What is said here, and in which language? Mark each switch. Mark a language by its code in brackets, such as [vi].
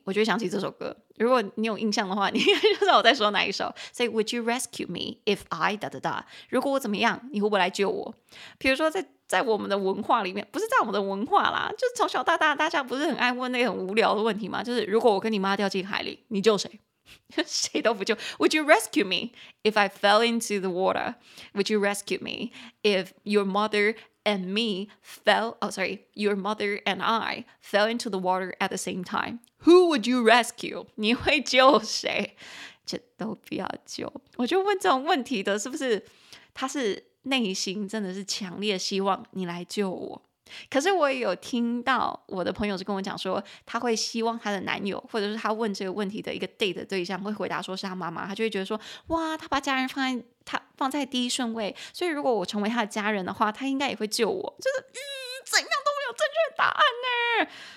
[zh] 我就会想起这首歌，如果你有印象的话你应该知道我在说哪一首。所以 [en] Would you rescue me if I [zh] 如果我怎么样你会不会来救我。比如说在我们的文化里面，不是在我们的文化啦，就是从小到大大家不是很爱问那个很无聊的问题吗，就是如果我跟你妈掉进海里你救谁？谁都不救。 [en] Would you rescue me if I fell into the water? Would you rescue me if your mother and me fell, your mother and I fell into the water at the same time? Who would you rescue? [zh] 你会救谁？这都不要救。我就问这种问题的是不是他是内心真的是强烈希望你来救我。可是我也有听到我的朋友是跟我讲说，他会希望他的男友或者是他问这个问题的一个 date 对象会回答说是他妈妈，他就会觉得说哇，他把家人放在第一顺位，所以如果我成为他的家人的话他应该也会救我，就是怎样都没有正确答案呢。